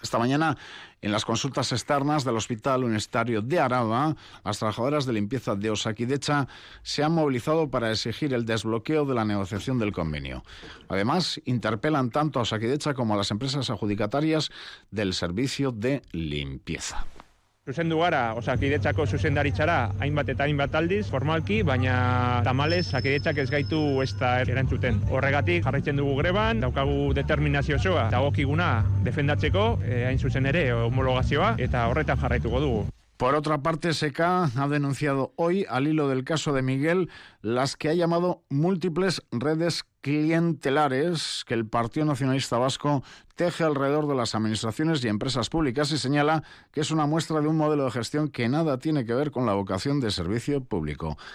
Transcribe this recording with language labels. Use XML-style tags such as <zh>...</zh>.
<es>Esta mañana, en las consultas externas del Hospital Universitario de Araba, las trabajadoras de limpieza de Osakidetza se han movilizado para exigir el desbloqueo de la negociación del convenio. Además, interpelan tanto a Osakidetza como a las empresas adjudicatarias del servicio de limpieza.</es> <eu>Zuzendu gara, Osakidetzako zuzendaritzara, hainbat eta hainbat aldiz, formalki, baina tamales, Osakidetzak ez gaitu ez da erantzuten. Horregatik jarraitzen dugu greban, daukagu determinazio osoa, dagokiguna defendatzeko, hain zuzen ere, homologazioa, eta horretan jarraituko dugu.</eu> <es>Por otra parte, SK ha denunciado hoy, al hilo del caso de Miguel, las que ha llamado múltiples redes clientelares que el Partido Nacionalista Vasco teje alrededor de las administraciones y empresas públicas y señala que es una muestra de un modelo de gestión que nada tiene que ver con la vocación de servicio público.</es>